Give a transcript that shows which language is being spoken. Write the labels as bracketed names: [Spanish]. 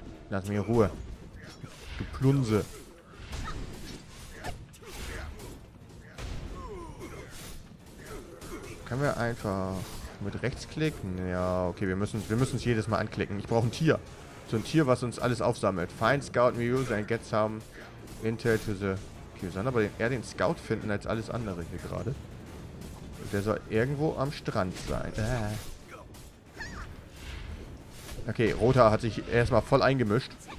[German] Lass mir Ruhe. Du Plunse. Können wir einfach mit rechts klicken? Ja, okay, wir müssen es jedes Mal anklicken. Ich brauche ein Tier. So ein Tier, was uns alles aufsammelt. [English] Find Scout Mews and get some Intel to the... [German] Okay, wir sollen aber eher den Scout finden als alles andere hier gerade. Der soll irgendwo am Strand sein. Okay, Rota hat sich erstmal voll eingemischt.